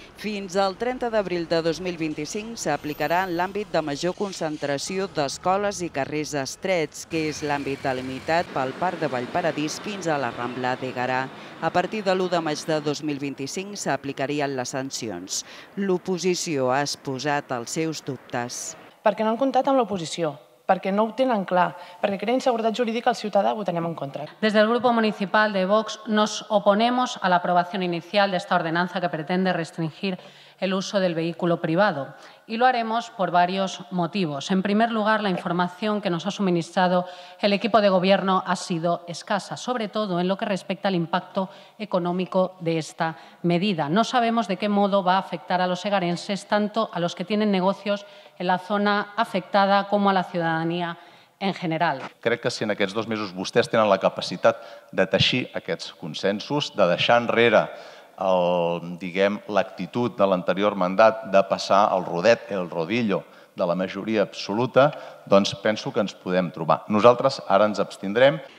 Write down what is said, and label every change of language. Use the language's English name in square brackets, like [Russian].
[Catalan] Fins al 30 d'abril de 2025 s'aplicarà en l'àmbit de major concentració d'escoles i carrers estrets, que és l'àmbit delimitat pel Parc de Vallparadís fins a la Rambla d'Egara. A partir de l'1 de maig de 2025 s'aplicarien les sancions. L'oposició ha exposat els seus dubtes. Perquè no han comptat amb l'oposició, perquè no ho tenen clar, perquè creen seguretat jurídica al ciutadà, ho tenim en contra. [Spanish] Des del grup municipal de Vox nos oponemos a la aprobación inicial de esta ordenanza que pretende restringir el uso del vehículo privado. Y lo haremos por varios motivos. En primer lugar, la información que nos ha suministrado el equipo de gobierno ha sido escasa, sobre todo en lo que respecta al impacto económico de esta medida. No sabemos de qué modo va a afectar a los egarenses, tanto a los que tienen negocios en la zona afectada como a la ciudadanía en general. [Catalan] Crec que si en aquests dos mesos vostès tenen la capacitat de teixir aquests consensos, de deixar enrere l'actitud de l'anterior mandat de passar el rodet, el rodillo de la majoria absoluta, doncs penso que ens podem trobar. Nosaltres ara ens abstindrem.